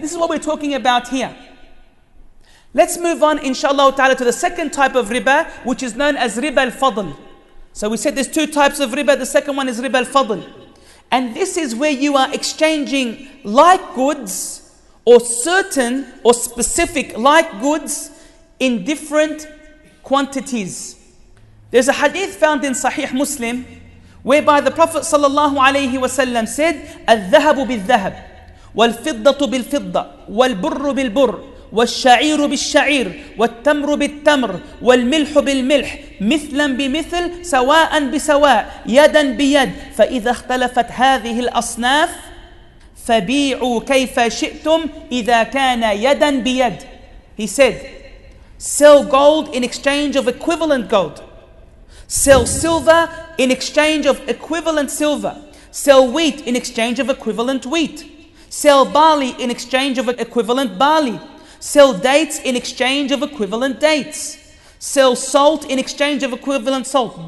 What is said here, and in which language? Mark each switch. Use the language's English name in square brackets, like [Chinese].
[English] This is what we're talking about here. Let's move on, inshallah ta'ala, to the second type of riba, which is known as riba al-fadl. So we said there's two types of riba. The second one is riba al-fadl. And this is where you are exchanging like goods or certain or specific like goods in different quantities. There's a hadith found in Sahih Muslim whereby the Prophet sallallahu alayhi wa sallam said, [Arabic] الذهب بالذهب والفضة بالفضة والبر بالبر والشعير بالشعير والتمر بالتمر والملح بالملح مثلا بمثل سواء بسواء يدا بيد فإذا اختلفت هذه الأصناف فبيعوا كيف شئتم إذا كان يدا بيد. [English] He said, sell gold in exchange of equivalent gold. Sell silver in exchange of equivalent silver. Sell wheat in exchange of equivalent wheat. Sell barley in exchange of equivalent barley. Sell dates in exchange of equivalent dates. Sell salt in exchange of equivalent salt.